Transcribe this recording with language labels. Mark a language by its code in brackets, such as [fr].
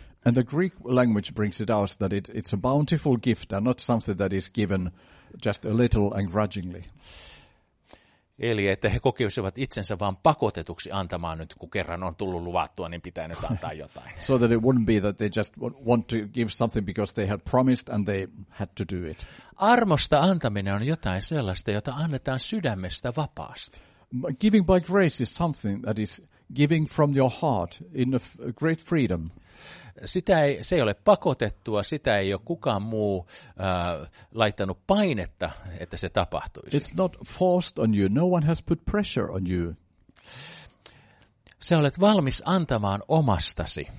[en] And the Greek language brings it out that it's a bountiful gift and not something that is given just a little and grudgingly. [fi] Eli että he kokisivat itsensä vaan pakotetuksi antamaan nyt, kun kerran on tullut luvattua, niin pitää nyt antaa jotain. [en] So that it wouldn't be that they just want to give something because they had promised and they had to do it. [fi] Armosta antaminen on jotain sellaista, jota annetaan sydämestä vapaasti. [en] Giving by grace is something that is giving from your heart in a great freedom. [fi] Se ei ole pakotettua, sitä ei ole kukaan muu laittanut painetta, että se tapahtuisi. [en] It's not forced on you. No one has put pressure on you. [fi] Sä olet valmis antamaan omastasi.